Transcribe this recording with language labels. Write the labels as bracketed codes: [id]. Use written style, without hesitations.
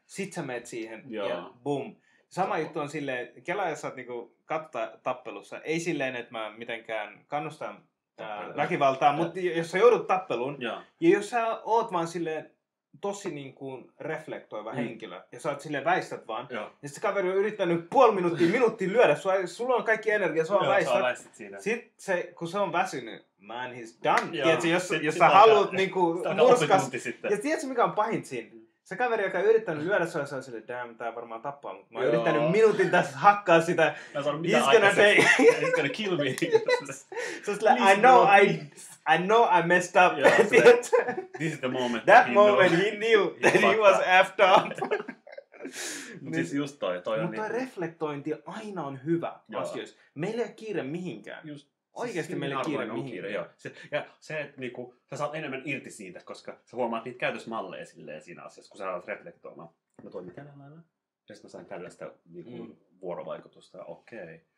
[fi] Sitten sä meet siihen ja boom. Sama juttu on silleen, kelaa jos sä oot niinku katta tappelussa, ei silleen, että mä mitenkään kannustan väkivaltaa, mutta jos sä joudut tappeluun, ja jos sä oot vaan silleen tosi niinku reflektoiva henkilö, ja sä oot silleen väistät vaan, ja sit se kaveri on yrittänyt puoli minuuttia lyödä, sulla on kaikki energia, sua väistät. Sitten se, kun se on väsynyt, [en] man, he's done. [fi] Tiedätkö, jos sä haluut niinku murskas. Ja tiedätkö, mikä on pahin siinä? Se kaveri, joka on yrittänyt lyödä sua, se on silleen, damn, tää varmaan tappaa, mutta mä oon yrittänyt minuutin tässä hakkaa sitä. [en] He's gonna say, he's gonna kill me. So it's like, I know I messed up. Yeah, so that, this is the moment. That he moment knows. He knew that he was effed up. [fi] Mutta siis just toi on niin. Reflektointi aina on hyvä asioissa. Meillä ei ole kiire mihinkään. Just. Oikeasti meillä kiire on mihinkään. Kiire, joo. Ja se, että niinku, sä saat enemmän irti siitä, koska sä huomaat niitä käytösmalleja silleen siinä asiassa, kun sä alat reflektoimaan. Mä toimin tällä lailla. Ja sitten mä sain tällaista niinku, vuorovaikutusta. Okei.